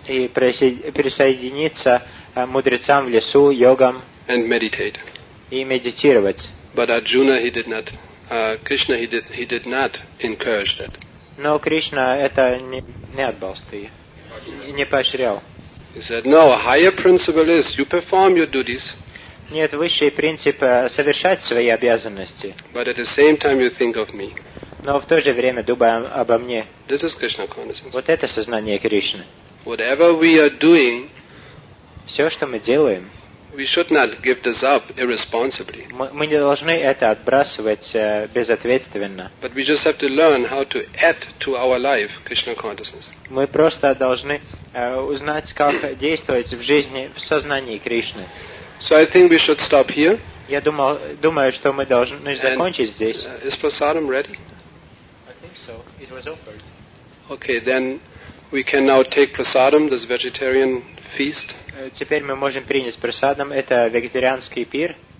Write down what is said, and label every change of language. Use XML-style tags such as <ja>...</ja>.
<ru>И присоединиться мудрецам в лесу, йогам.</ru> <en>And meditate.</en> <ru>И медитировать.</ru> <en>But Arjuna, he did not. Krishna, he did not encourage that.</en> <ru>Но Кришна это не отдал стоя, не поощрял.</ru> <en>He said, no, a higher principle is you perform your duties.</en> <ru>Нет, высший принцип совершать свои обязанности.</ru> <en>But at the same time you think of me.</en> <ru>Но в то же время думая обо мне.</ru> <en>This is Krishna consciousness.</en> <ru>Вот это сознание Кришны.</ru> <en>Whatever we are doing,</en> <ru>все, что мы делаем,</ru> <en>we should not give this up irresponsibly.</en> <ru>Мы не должны это отбрасывать безответственно.</ru> <en>But we just have to learn how to add to our life Krishna consciousness.</en> <ru>Мы просто должны узнать, как действовать в жизни в сознании Кришны.</ru> <en>So I think we should stop here.</en> <ru>Я думаю, что мы должны закончить здесь.</ru> <en>Is prasadam ready? I think so. It was offered. Okay, then we can now take prasadam, this vegetarian feast.</en> <ru>Теперь мы можем принять прасадам. Это вегетарианский пир.</ru>